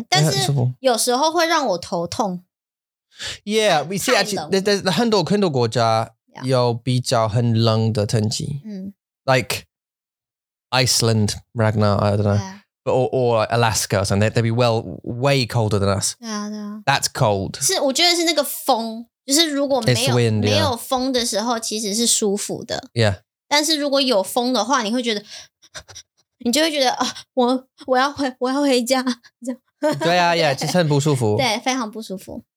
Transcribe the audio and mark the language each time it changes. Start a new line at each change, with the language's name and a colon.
Chinese: 对，英国是现在是，我觉得很舒服，我喜欢，但是有时候会让我头痛。
English: Yeah, we see actually there's
Chinese: 很多国家有比较很冷的天气,
English: like Iceland, Ragnar, I don't know, or Alaska or something. They'd be way colder than us. Yeah, that's cold.
Chinese: 是，我觉得是那个风，就是如果没有风的时候，其实是舒服的.
English: Yeah,
Chinese: 但是如果有风的话，你会觉得。你就会觉得我要回家这样。对啊，就是很不舒服。对，非常不舒服。